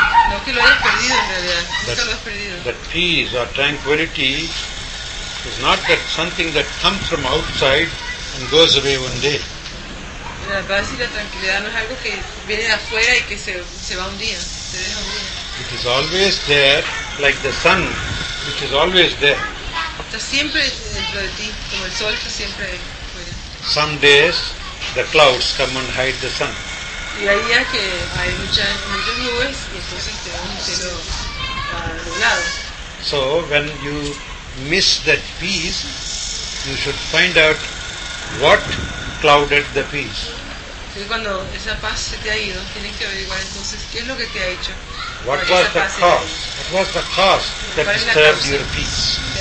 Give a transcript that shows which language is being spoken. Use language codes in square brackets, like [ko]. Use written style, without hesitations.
[es] No que lo haya perdido en realidad, nunca lo has perdido. [en] But peace or tranquility is not that something that comes from outside and goes away one day. [es] La paz y la tranquilidad no es algo que viene de afuera y que se va un día, se deja un día. [en] It is always there, like the sun, it is always there. [es] Está siempre dentro de ti, como el sol está siempre fuera. [en] Some days, the clouds come and hide the sun. [es] Y hay días que hay muchas nubes y entonces te da un cielo nublado. [en] So, when you miss that peace, you should find out what clouded the peace. [es] Cuando esa paz se te ha ido, tienes que averiguar entonces qué es lo que te ha hecho. [en] What was the cause? What was the cause that disturbed your peace?